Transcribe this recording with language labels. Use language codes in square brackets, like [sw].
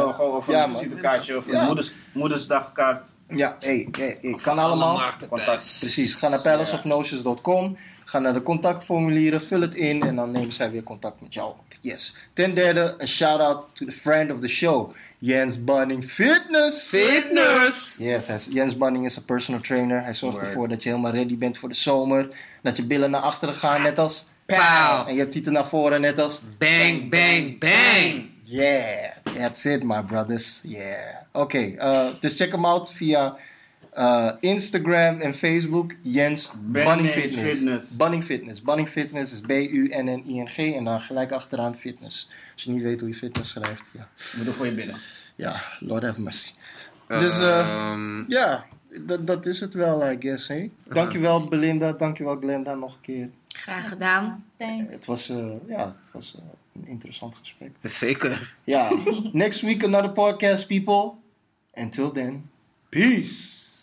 [nl] Logo of een visitekaartje of een moedersdagkaart. Ja. Hey, kan allemaal. Precies. Ga naar palaceofnotions.com. Ga naar de contactformulieren, vul het in en dan nemen zij weer contact met jou. Yes. Ten derde, een [en] shout-out to the friend of the show, Jens Bunning Fitness. Fitness! Yes, Jens Bunning is a personal trainer. [nl] Hij zorgt ervoor dat je helemaal ready bent voor de zomer. Dat je billen naar achteren gaan, net als... Pow! En je tieten naar voren, net als... Bang, bang, bang! [en] Yeah, that's it, my brothers. [nl] Yeah. Oké, dus check hem out via Instagram en Facebook. Jens Bunning Fitness. Bunning Fitness. Bunning Fitness is B-U-N-N-I-N-G. En dan gelijk achteraan fitness. Als je niet weet hoe je fitness schrijft, ja. Moet er voor je binnen. Ja, [en] Lord have mercy. [nl] Dus, ja, dat is het wel, [en] I guess, [nl] hè. Dankjewel, Belinda. Dankjewel, Glenda, nog een keer. Graag gedaan. [en] Thanks. [nl] Het was, een interessant gesprek. Zeker. Ja. [en] Next week another podcast, people. Until then, peace.